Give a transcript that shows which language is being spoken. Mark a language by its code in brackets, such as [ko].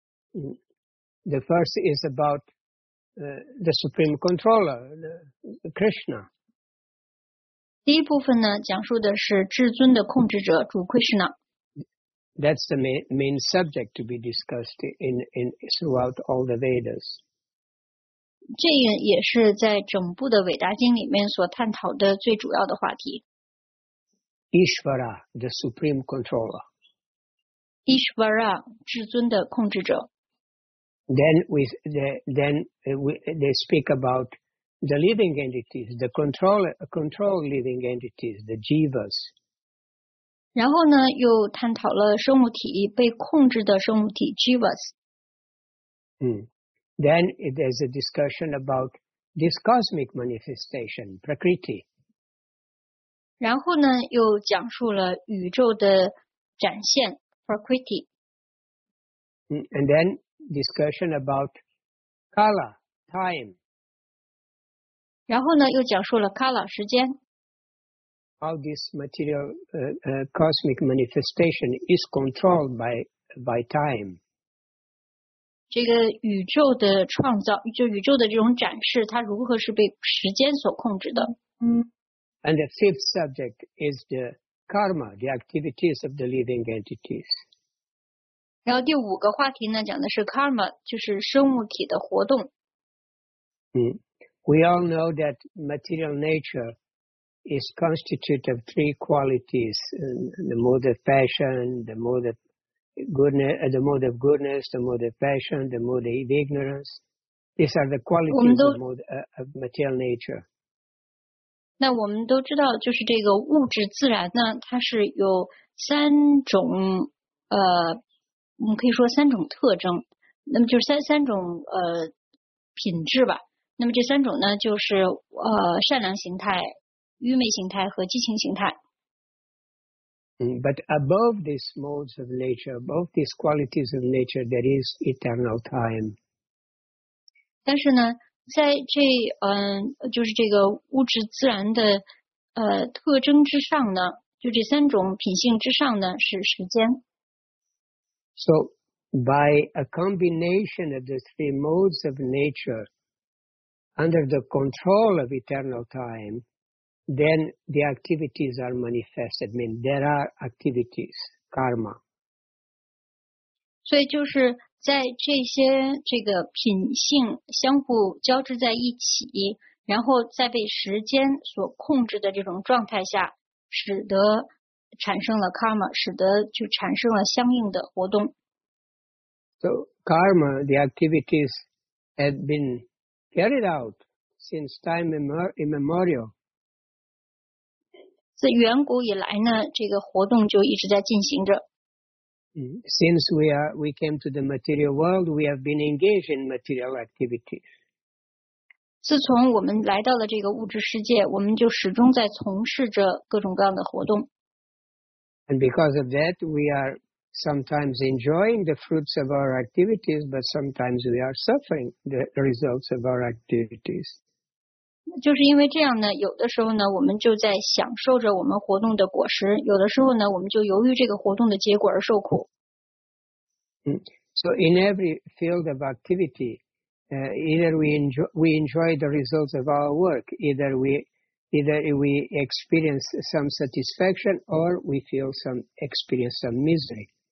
[en] The first is about the Supreme Controller, Krishna. [zh] 第一部分呢，讲述的是至尊的控制者主 Krishna。 [en] That's the main subject to be discussed in throughout all the Vedas. [zh] 这也是在整部的伟达经里面所探讨的最主要的话题。 [en] Ishvara, the Supreme Controller. [zh] Ishvara, 至尊的控制者。 [en] Then they speak about the living entities, the control living entities, the jivas. [zh] 然后呢，又探讨了生物体被控制的生物体 jivas. [en] Then there's a discussion about this cosmic manifestation, prakriti. [zh] 然后呢，又讲述了宇宙的展现 prakriti. [en] And then. Discussion about kala, time. [zh] 然后呢，又讲述了 kala, 时间。 [en] How this material cosmic manifestation is controlled by time. [zh] 这个宇宙的创造，就宇宙的这种展示，它如何是被时间所控制的？ [en] And the fifth subject is the karma, the activities of the living entities. [zh] 然后第五个话题呢，讲的是 karma， 就是生物体的活动。 [en] We all know that material nature is constituted of three qualities: the mode of passion, the mode of ignorance. These are the qualities of of material nature. [zh] 那我们都知道，就是这个物质自然呢，它是有三种我们可以说三种特征，那么就是三种品质吧。那么这三种呢，就是善良形态、愚昧形态和激情形态。 [en] But above these modes of nature, above these qualities of nature, there is eternal time. [zh] 但是呢，在这就是这个物质自然的特征之上呢，就这三种品性之上呢，是时间。 [en] So, by a combination of the three modes of nature under the control of eternal time, then the activities are manifested. I mean, there are activities, karma. [zh] 所以就是在这些这个品性相互交织在一起，然后再被时间所控制的这种状态下，使得产生了 karma， 使得就产生了相应的活动。 [en] So karma, the activities have been carried out since time immemorial. [zh] 自远古以来呢，这个活动就一直在进行着。 [en] Since we came to the material world, we have been engaged in material activities. [zh] 自从我们来到了这个物质世界，我们就始终在从事着各种各样的活动。 [en] And because of that, we are. Sometimes enjoying the fruits of our activities, but sometimes we are suffering the results of our activities. [zh] 就是因为这样呢，有的时候呢，我们就在享受着我们活动的果实；有的时候呢，我们就由于这个活动的结果而受苦。 [en] So in every field of activity, either we enjoy the results of our work, either we experience some satisfaction or we experience some misery.